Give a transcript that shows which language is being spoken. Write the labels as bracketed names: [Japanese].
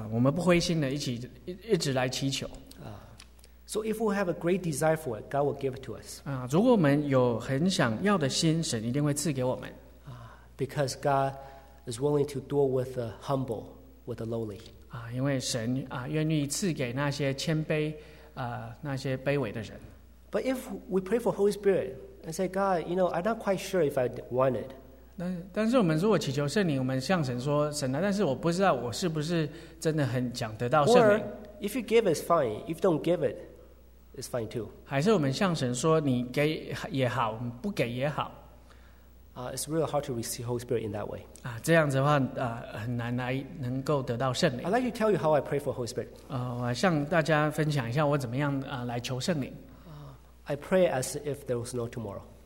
[Chinese] 我们需要相信神一定会照着他的应许，我们不灰心的一直来祈求。 [English] So if we have a great desire for it, God will give it to us. [Chinese] 如果我们有很想要的心，神一定会赐给我们。 [English] Because God is willing to deal with the humble, with the lowly. [Chinese] 因为神愿意赐给那些谦卑。 [English] But if we pray for Holy Spirit and say, God, you know, I'm not quite sure if I want it. [Chinese] 但是我们如果祈求圣灵，我们向神说，神啊，但是我不知道我是不是真的很想得到圣灵。 [English] Or if you give, it's fine. If you don't give it, it's fine too. [Chinese] 还是我们向神说，你给也好，不给也好。 [English] It's really hard to receive Holy Spirit in that way. [Chinese] 这样子的话，很难来能够得到圣灵。 [English] I'd like to tell you how I pray for Holy Spirit. [Chinese] 我向大家分享一下我怎么样来求圣灵。 [English] I pray as if there was no tomorrow.